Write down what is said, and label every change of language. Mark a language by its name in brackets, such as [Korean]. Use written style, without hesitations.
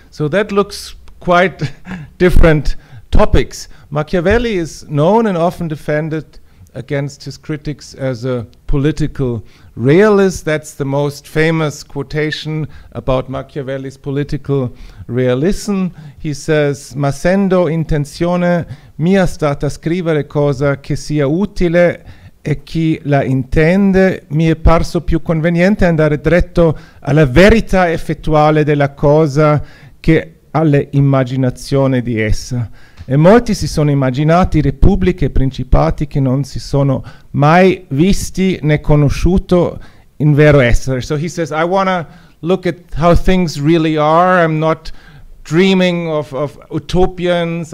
[English] So that looks quite different topics. Machiavelli is known and often defended against his critics as a political realist. That's the most famous quotation about Machiavelli's political realism. He says, [Italian] ma sendo intenzione mia stata scrivere cosa che sia utile e chi la intende, mi è parso più conveniente andare dritto alla verità effettuale della cosa che all'immaginazione di essa. E molti si sono immaginati repubbliche e principati che non si sono mai visti né conosciuto in vero essere. [English] So he says, I want to look at how things really are. I'm not dreaming of utopians.